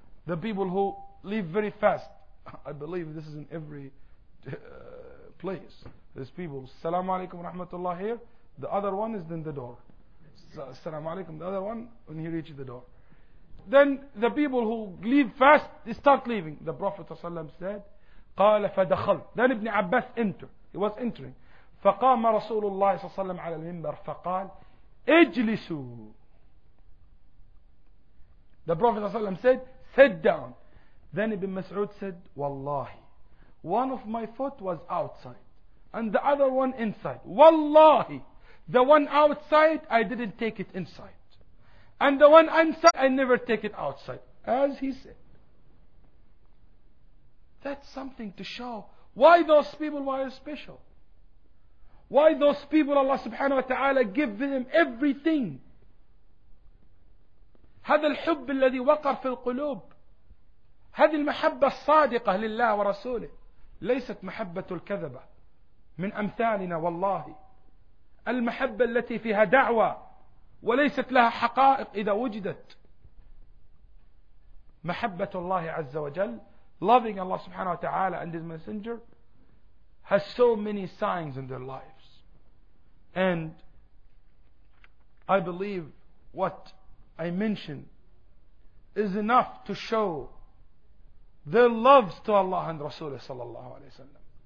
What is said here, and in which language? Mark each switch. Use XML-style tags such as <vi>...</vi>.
<en>The people who leave very fast. I believe this is in every place. There's people, Assalamu alaikum wa rahmatullah here. The other one is in the door. Assalamu alaikum, the other one when he reaches the door. Then the people who leave fast, they start leaving. The Prophet ﷺ said,</en> <ar>قال فدخل.</ar> <en>Then Ibn Abbas entered. He was entering.</en> <ar>فقام رسول الله صلى الله عليه وسلم على المنبر فقال اجلسوا.</ar> <en>The Prophet صلى الله عليه وسلم said, sit down. Then Ibn Mas'ud said, والله one of my foot was outside and the other one inside. والله the one outside I didn't take it inside and the one inside I never take it outside. As he said. That's something to show why those people were special. Why those people Allah subhanahu wa ta'ala give them everything.</en> <ar>هذا الحب الذي وقر في القلوب هذه المحبة الصادقة لله ورسوله ليست محبة الكذبة من أمثالنا والله. المحبة التي فيها دعوة وليست لها حقائق إذا وجدت. محبة الله عز وجل,</ar> <en>loving Allah subhanahu wa ta'ala and His Messenger, has so many signs in their lives. And I believe what I mentioned is enough to show their loves to Allah and Rasulullah sallallahu alayhi wa sallam.</en>